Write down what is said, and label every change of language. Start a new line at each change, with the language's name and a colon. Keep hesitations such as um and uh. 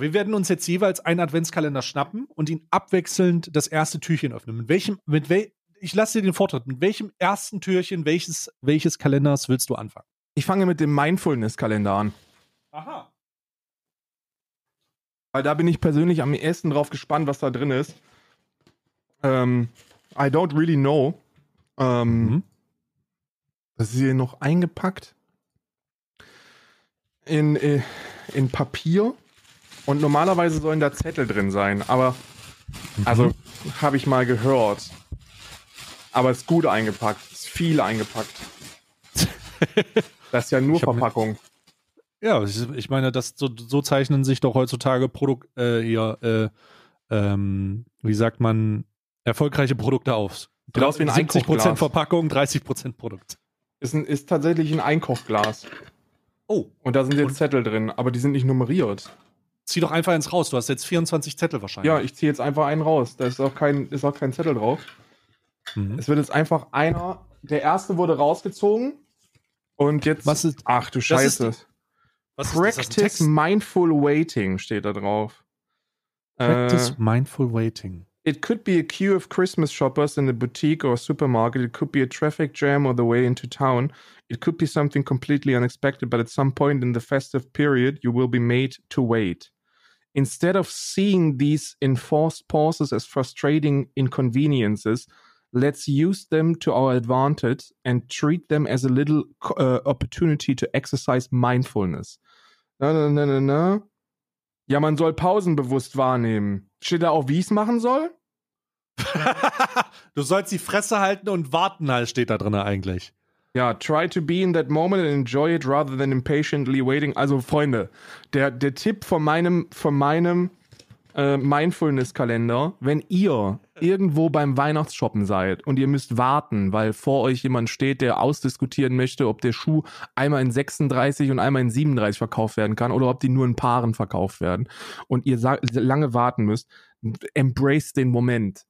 German: Wir werden uns jetzt jeweils einen Adventskalender schnappen und ihn abwechselnd das erste Türchen öffnen. Mit welchem, mit wel, ich lasse dir den Vortritt. Mit welchem ersten Türchen welches, welches Kalenders willst du anfangen? Ich fange mit dem Mindfulness-Kalender an. Aha. Weil da bin ich persönlich am ehesten drauf gespannt, was da drin ist.
English: Ähm, um, I don't really know.
German: Ähm, um, ist hier noch eingepackt. In, in Papier. Und normalerweise sollen da Zettel drin sein, aber also mhm. habe ich mal gehört. Aber es ist gut eingepackt, es ist viel eingepackt. das ist ja nur ich Verpackung. Hab, ja, ich, ich meine, das, so, so, zeichnen sich doch heutzutage Produkte äh, hier, äh, ähm, wie sagt man, erfolgreiche Produkte aus. Genau wie ein 70% Verpackung, 30% Produkt. Ist, ein, ist tatsächlich ein Einkochglas. Oh. Und da sind jetzt Zettel drin, aber die sind nicht nummeriert zieh doch einfach eins raus. Du hast jetzt 24 Zettel wahrscheinlich. Ja, ich ziehe jetzt einfach einen raus. Da ist auch kein, ist auch kein Zettel drauf. Mhm. Es wird jetzt einfach einer. Der erste wurde rausgezogen. Und jetzt. Was ist, ach du Scheiße. Ist,
English: Practice Mindful Waiting
German: steht da drauf.
English: Practice äh. Mindful Waiting. It could be a queue of Christmas shoppers in a boutique or a supermarket. It could be a traffic jam on the way into town. It could be something completely unexpected, but at some point in the festive period, you will be made to wait. Instead of seeing these enforced pauses as frustrating inconveniences, let's use them to our advantage and treat them as a little uh, opportunity to exercise mindfulness. No, no, no, no, no.
German: Ja, man soll Pausen bewusst wahrnehmen. Steht da auch, wie ich's machen soll? du sollst die Fresse halten und warten, halt steht da drin eigentlich.
English: Ja, try to be in that moment and enjoy it rather than impatiently waiting.
German: Also, Freunde, der, der Tipp von meinem, von meinem, Uh, Mindfulness-Kalender, wenn ihr irgendwo beim Weihnachtsshoppen seid und ihr müsst warten, weil vor euch jemand steht, der ausdiskutieren möchte, ob der Schuh einmal in 36 und einmal in 37 verkauft werden kann oder ob die nur in Paaren verkauft werden und ihr lange warten müsst, embrace den Moment.